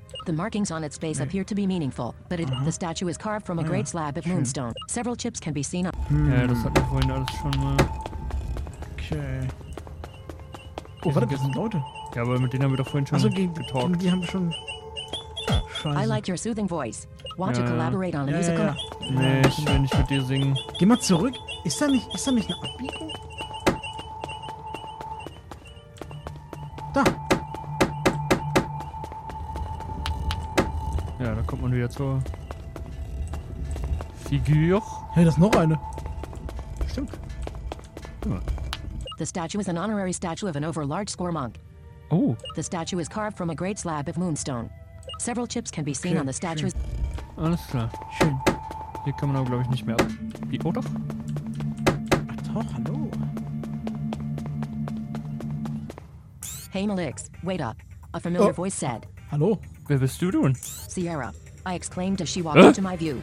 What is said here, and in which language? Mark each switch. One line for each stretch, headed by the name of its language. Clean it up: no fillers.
English: The markings on its face appear to be meaningful, but it, the statue is carved from a great slab of moonstone. Several chips can be seen.
German: Ja, das hat mir vorhin alles schon mal. Okay. Oh, warte, wir sind Leute. Ja, aber mit denen haben wir doch vorhin schon also, getalkt. Die haben schon. Scheiße.
English: I like your soothing voice. Want to collaborate on a musical?
German: Ja. Nee, ich will nicht mit dir singen. Geh mal zurück. Ist da nicht eine Abbiegung? Da. Ja, da kommt man wieder zur Figur. Hey, das ist noch eine. Stimmt.
English: The statue is an honorary statue of an overlarge score monk. Oh. The statue is carved from a great slab of moonstone. Several chips can be seen on the statue.
German: Alles klar. Schön. Hier kann man aber, glaube ich, nicht mehr auf. Wie? Oh, doch. Ach doch, hallo.
English: Hey, Malix, wait up. A familiar voice said.
German: Hallo. Wer bist du denn?
English: Sierra. I exclaimed as she walked into my view.